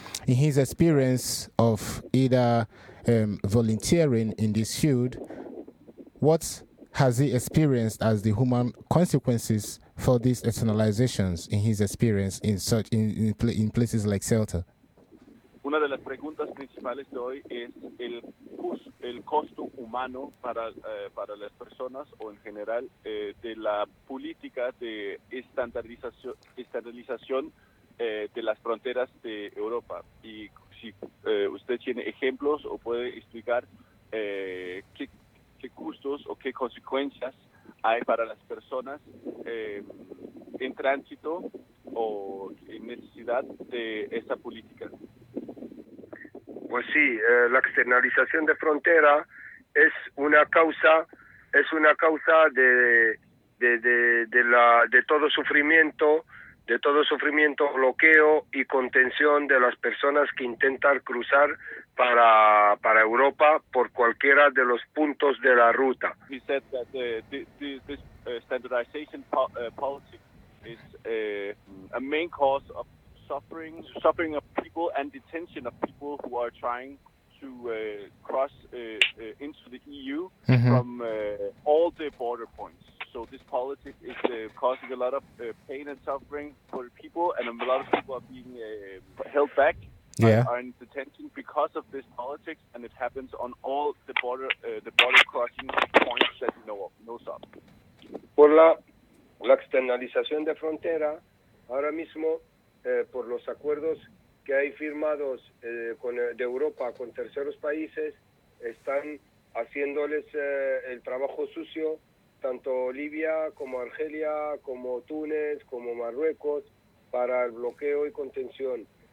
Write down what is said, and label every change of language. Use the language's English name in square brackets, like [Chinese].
[English] In his experience of either volunteering in this field, what has he experienced as the human consequences for these externalizations in his experience in such in places like Ceuta? [Spanish] Una de las preguntas principales de hoy es el costo humano para las personas o en general de la política de estandarización de las fronteras de Europa. Y si usted tiene ejemplos o puede explicar qué costos o qué consecuencias hay para las personas en tránsito o en necesidad de esta política. Pues sí, la externalización de frontera es una causa de todo sufrimiento, bloqueo y contención de las personas que intentan cruzar para Europa por cualquiera de los puntos de la ruta. [English] He said that this standardization policy is a main cause of suffering of people and detention of people who are trying to cross into the EU from all the border points. So this policy is causing a lot of pain and suffering for people, and a lot of people are being held back. Yeah. Are in detention because of this politics, and it happens on all the border crossing points that you know of. [Spanish] Por la externalización de frontera, ahora mismo, por los acuerdos que hay firmados de Europa con terceros países, están haciéndoles el trabajo sucio tanto Libia como Argelia, como Túnez, como Marruecos, para el bloqueo y contención.